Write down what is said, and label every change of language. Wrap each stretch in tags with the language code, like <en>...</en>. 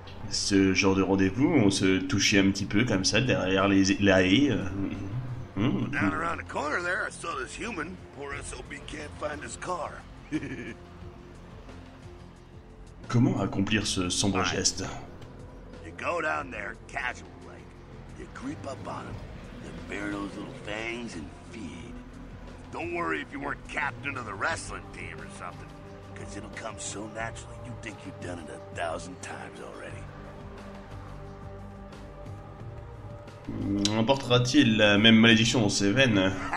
<fr>Ce genre de rendez-vous, on se touchait un petit peu comme ça derrière les la haie.</fr> <en>Down around the corner there, I saw this human. Poor SOB can't find his car.</en> <fr>Comment accomplir ce sombre geste?</fr> <en>You go down there casual like. You creep up on him, then bare those little fangs and feed. Don't worry if you weren't captain of the wrestling team or something. Cause it'll come so naturally, you think you've done it 1,000 times already.</en> <fr>Emportera-t-il la même malédiction dans ses veines?</fr>